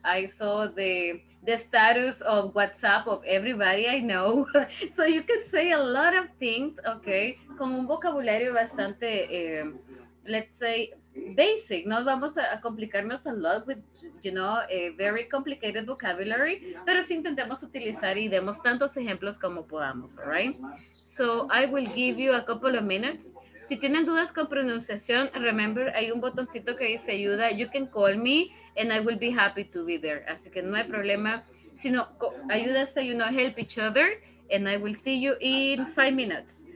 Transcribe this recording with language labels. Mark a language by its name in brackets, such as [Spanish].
[English] I saw the status of WhatsApp of everybody I know. So you can say a lot of things, okay? [Spanish] Con un vocabulario bastante, [English] let's say, basic. [Spanish] No vamos a complicarnos [English] a lot with, you know, a very complicated vocabulary. [Spanish] Pero sí intentemos utilizar y demos tantos ejemplos como podamos, [English] all right? So I will give you a couple of minutes. [Spanish] Si tienen dudas con pronunciación, remember, hay un botoncito que dice ayuda. [English] You can call me and I will be happy to be there. [Spanish] Así que no hay problema. Sino ayúdase, [English] you know, help each other and I will see you in 5 minutes.